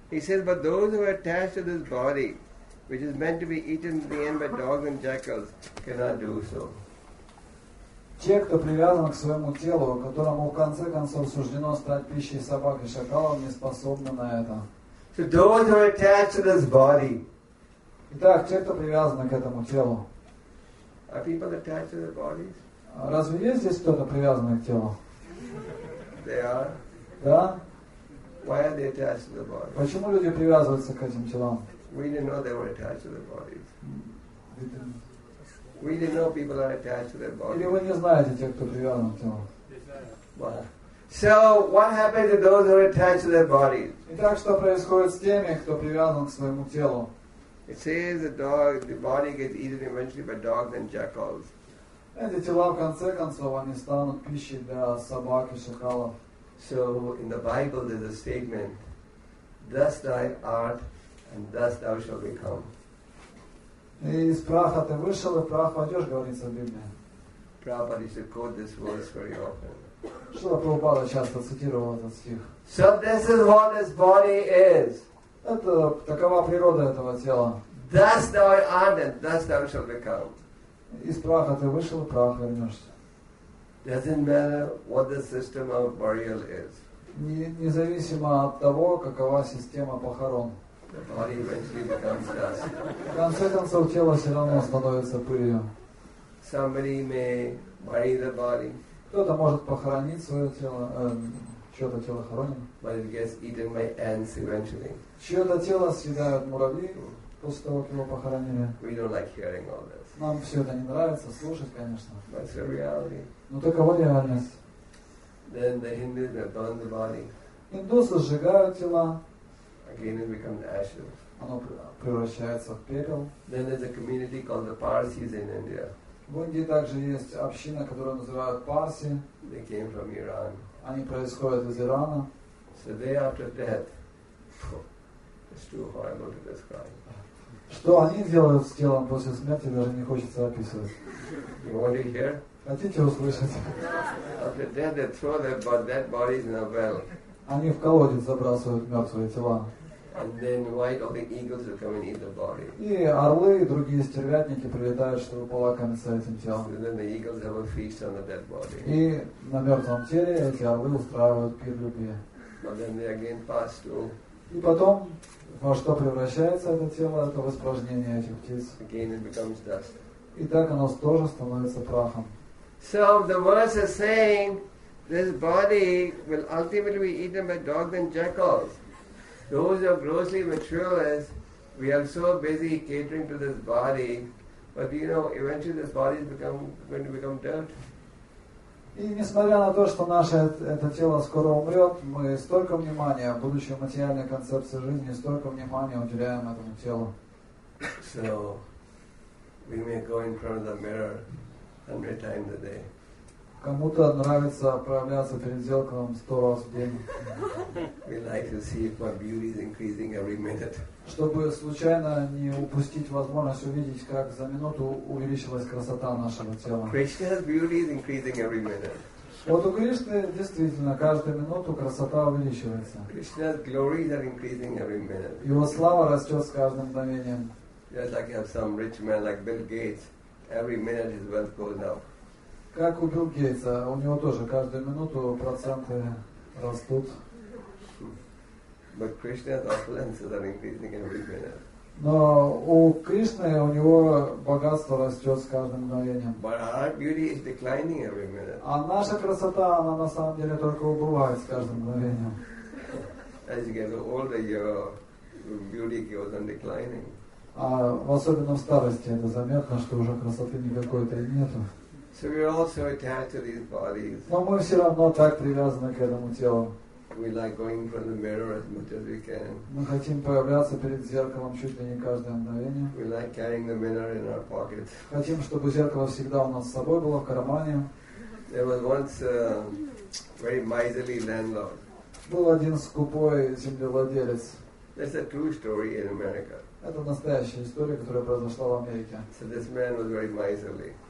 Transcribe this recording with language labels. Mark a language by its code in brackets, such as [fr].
[en] He says, but those who are attached to this body, which is meant to be eaten in the end by dogs and jackals, cannot do so. [ru] Те, кто привязан к своему телу, которому в конце концов суждено стать пищей собак и шакалов, не способны на это. [en] So those who are attached to this body. [ru] Итак, те, кто привязан к этому телу. [en] Are people attached to their bodies? [ru] Разве есть здесь кто-то привязанный к телу? [en] They are. [ru] Да? [en] Why are they attached to the body? [ru] Почему люди привязываются к этим телам? [en] We didn't know they were attached to their bodies. We didn't know people are attached to their bodies. [ru] Или вы не знаете тех, кто привязан к телу? [en] So what happens to those who are attached to their bodies? [ru] Итак, что происходит с теми, кто привязан к своему телу? [en] It says the body gets eaten eventually by dogs and jackals. [ru] Эти тела в конце концов они станут пищей для собак и шакалов. [en] So in the Bible there's a statement: "Thus thy art." And thus thou shalt become. [ru] Из праха ты вышел, и прах пойдешь, говорится в Библии. [en] Prabhupada used to quote this verse very often. [ru] Шрила Прабхупада часто цитировал этот стих. [en] So this is what this body is. [ru] Это такова природа этого тела. [en] Thus thou art, and thus thou shalt become. [ru] Из праха ты вышел, и прах вернешься. [en] Doesn't matter what the system of burial is. [ru] Независимо от того, какова система похорон. [en] The body eventually becomes dust. [ru] В конце концов, тело все равно становится пылью. [en] Somebody may bury the body. [ru] Кто-то может похоронить свое тело, чье-то тело хороним. [en] But it gets eaten by ants eventually. [ru] Чье-то тело съедают муравьи после того, как его похоронили. [en] We don't like hearing all this. [ru] Нам все это не нравится слушать, конечно. [en] But it's a reality. [ru] Но такова реальность. [en] Then the Hindus may burn the body. [ru] Индусы сжигают тела. [en] Again, it becomes ashes. [ru] Оно превращается в пепел. [en] Then there's a community called the Parsis in India. [ru] В Индии также есть община, которую называют Парси. [en] They came from Iran. [ru] Они происходят из Ирана. [en] So they after death. It's too horrible to describe. [ru] Что они делают с телом после смерти, даже не хочется описывать. [en] You want to hear? [ru] Хотите услышать? [en] After death, they throw their dead bodies in a well. [ru] Они в колодец забрасывают мертвые тела. [en] And then white all the eagles will come and eat the body. [ru] И орлы и другие стервятники прилетают, чтобы полакомиться этим телом. [en] So then the eagles have a feast on the dead body. [ru] И на мертвом теле эти орлы устраивают пир любви. [en] But then they again pass through. [ru] И потом, во что превращается это тело, это воспражнение этих птиц. [en] Again it becomes dust. [ru] И так оно тоже становится прахом. [en] So the verse is saying, this body will ultimately be eaten by dogs and jackals. Those who are grossly materialists, we are so busy catering to this body, but you know, eventually this body is going to become dirt. [ru] И несмотря на то, что наше это тело скоро умрет, мы столько внимания, будущей материальной концепции жизни, столько внимания уделяем этому телу. [en] So, we may go in front of the mirror 100 times a day. [ru] Кому-то нравится проявляться перед зеркалом 100 раз в день. [en] We like to see if my beauty is increasing every minute. [ru] Чтобы случайно не упустить возможность увидеть, как за минуту увеличилась красота нашего тела. [en] Krishna's beauty is increasing every minute. [ru] Вот у Кришны действительно каждую минуту красота увеличивается. [en] Krishna's glories are increasing every minute. [ru] Его слава растет с каждым мгновением. [en] Just like you have some rich man like Bill Gates, every minute his wealth goes up. [ru] Как у Билл Гейтса, у него тоже каждую минуту проценты растут. [en] But Krishna has opulence that are increasing every minute. [ru] Но у Кришны, у него богатство растет с каждым мгновением. [en] But our beauty is declining every minute. [ru] А наша красота, она на самом деле только убывает с каждым мгновением. [en] As you get older, your beauty goes on declining. [ru] А в особенно в старости это заметно, что уже красоты никакой-то и нету. [en] So we are also attached to these bodies. [ru] Но мы все равно так привязаны к этому телу. [en] We like going in front of the mirror as much as we can. [ru] Мы хотим появляться перед зеркалом чуть ли не каждое мгновение. [en] We like carrying the mirror in our pocket. [ru] Хотим, чтобы зеркало всегда у нас с собой было в кармане. [en] There was once a very miserly landlord. [ru] Был один скупой землевладелец. [en] That's a true story in America. [ru] Это настоящая история, которая произошла в Америке. [en] So this man was very miserly.